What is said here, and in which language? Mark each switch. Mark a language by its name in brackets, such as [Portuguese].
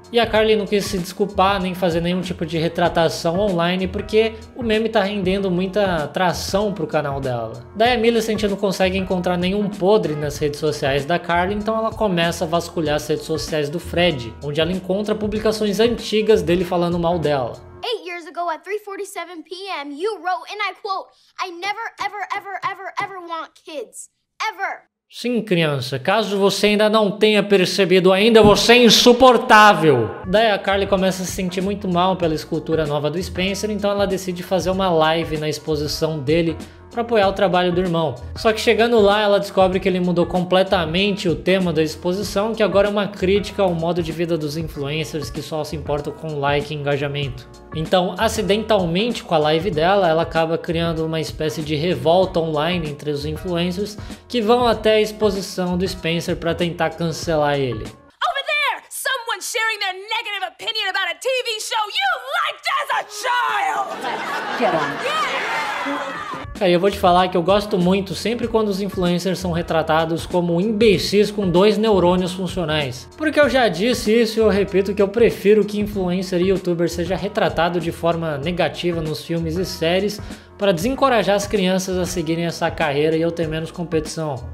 [Portuguese] E a Carly não quis se desculpar, nem fazer nenhum tipo de retratação online, porque o meme tá rendendo muita tração pro canal dela. Daí a Millicent não consegue encontrar nenhum podre nas redes sociais da Carly, então ela começa a vasculhar as redes sociais do Fred, onde ela encontra publicações antigas dele falando mal dela. [English] 8 years ago at 3:47 PM, you wrote, and I quote, "I never ever ever ever ever want kids. Ever." [Portuguese] Sim, criança, caso você ainda não tenha percebido ainda, você é insuportável. Daí a Carly começa a se sentir muito mal pela escultura nova do Spencer, então ela decide fazer uma live na exposição dele para apoiar o trabalho do irmão. Só que chegando lá, ela descobre que ele mudou completamente o tema da exposição, que agora é uma crítica ao modo de vida dos influencers que só se importam com like e engajamento. Então, acidentalmente, com a live dela, ela acaba criando uma espécie de revolta online entre os influencers que vão até a exposição do Spencer para tentar cancelar ele. [English] Over there, someone sharing their negative opinion about a TV show you liked as a child. Get on. [Portuguese] Cara, eu vou te falar que eu gosto muito sempre quando os influencers são retratados como imbecis com dois neurônios funcionais. Porque eu já disse isso e eu repito que eu prefiro que influencer e youtuber seja retratado de forma negativa nos filmes e séries, para desencorajar as crianças a seguirem essa carreira e eu ter menos competição.